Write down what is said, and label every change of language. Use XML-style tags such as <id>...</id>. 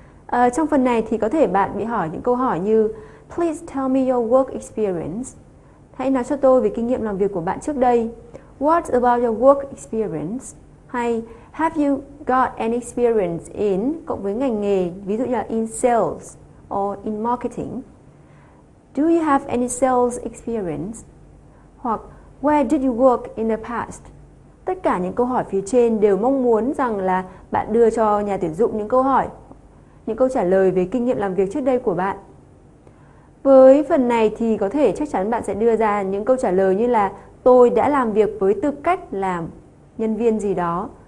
<vi>Trong phần này thì có thể bạn bị hỏi những câu hỏi như</vi> <en>Please tell me your work experience.</en> <vi>Hãy nói cho tôi về kinh nghiệm làm việc của bạn trước đây.</vi> <en>What about your work experience?</en> <vi>Hay</vi> <en>Have you got any experience in</en> <vi>cộng với ngành nghề, ví dụ như là</vi> <en>in sales or in marketing? Do you have any sales experience?</en> <vi>Hoặc</vi> <en>Where did you work in the past?</en> <vi>Tất cả những câu hỏi phía trên đều mong muốn rằng là bạn đưa cho nhà tuyển dụng những câu hỏi, những câu trả lời về kinh nghiệm làm việc trước đây của bạn. Với phần này thì có thể chắc chắn bạn sẽ đưa ra những câu trả lời như là Tôi đã làm việc với tư cách là nhân viên gì đó.</vi>